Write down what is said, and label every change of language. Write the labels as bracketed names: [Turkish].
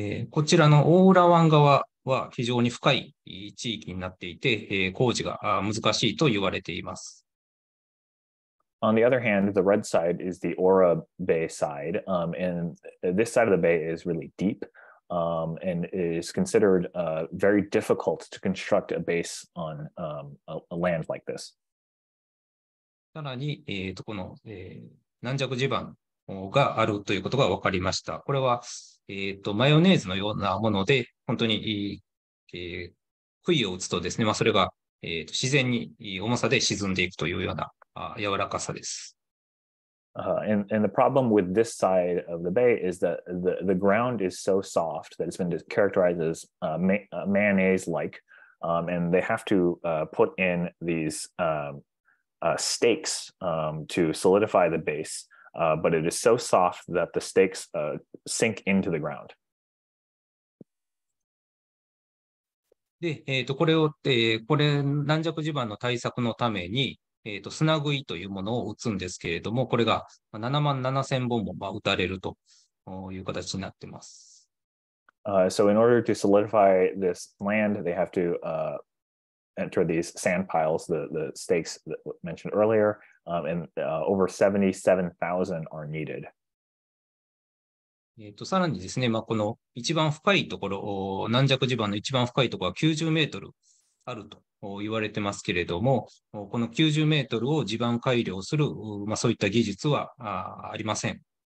[Japanese] こちらの大浦湾側は非常に深い地域になっていて、工事が難しいと言われています。 [English] On the other hand, the red side is the Ora Bay side, and this side of the bay is really deep, and is considered very difficult to construct a base on a land like this. [Japanese] さらに、この、軟弱地盤があるということが分かりました。これは、マヨネーズのようなもので、本当に、杭を打つとですね、まあ、それが、自然に重さで沈んでいくというような柔らかさです。 [English] And the problem with this side of the bay is that the ground is so soft that it's been characterized as mayonnaise-like, and they have to put in these... stakes to solidify the base, but it is so soft that the stakes sink into the ground. [Japanese] で、これを、これ軟弱地盤の対策のために、砂食いというものを打つんですけれども、これが7万7000本も打たれるという形になっています。 [English] So in order to solidify this land, they have to enter these sand piles, the stakes that mentioned earlier, and over 77,000 are needed. [Japanese] さらにですね、まあ、この一番深いところ、軟弱地盤の一番深いところは90メートルあると言われてますけれども、この90メートルを地盤改良する、まあ、そういった技術はありません。